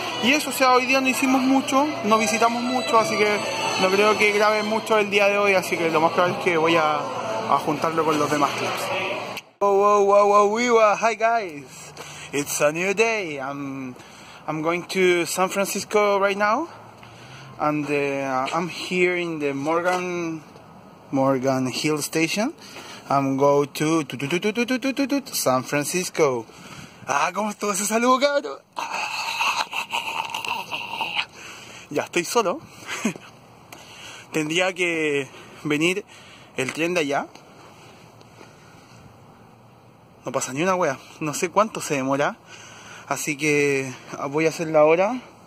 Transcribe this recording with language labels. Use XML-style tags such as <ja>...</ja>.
<es>Y eso, o sea, hoy día no hicimos mucho, no visitamos mucho, así que no creo que grabe mucho el día de hoy, así que lo más probable es que voy a juntarlo con los demás clips.</es> <en>Wow, wow, wow, wow, wiwa, hi guys, it's a new day, I'm going to San Francisco right now, and I'm here in the Morgan Hill Station, I'm going to San Francisco.</en> <es>Ah, ¿cómo estuvo ese saludo, cabrón? Ya estoy solo. Tendría que venir el tren de allá. No pasa ni una wea. No sé cuánto se demora. Así que voy a hacer la hora.</es>